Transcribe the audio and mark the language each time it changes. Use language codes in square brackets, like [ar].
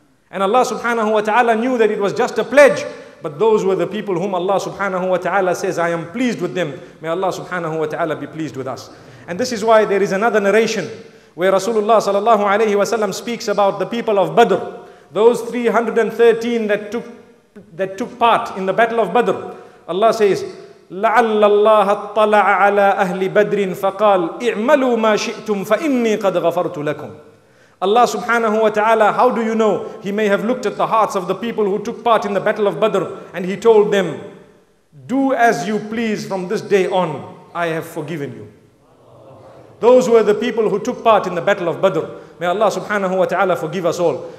[en] And Allah subhanahu wa ta'ala knew that it was just a pledge. But those were the people whom Allah subhanahu wa ta'ala says, I am pleased with them. May Allah subhanahu wa ta'ala be pleased with us. And this is why there is another narration where Rasulullah sallallahu alayhi wa sallam speaks about the people of Badr. Those 313 that took part in the battle of Badr. Allah says, [ar] لعل الله اطلع على أهل بدر فقال اعملوا ما شئتم فإني قد غفرت لكم. [en] Allah subhanahu wa ta'ala, how do you know? He may have looked at the hearts of the people who took part in the battle of Badr and he told them, do as you please from this day on, I have forgiven you. Those were the people who took part in the battle of Badr. May Allah subhanahu wa ta'ala forgive us all.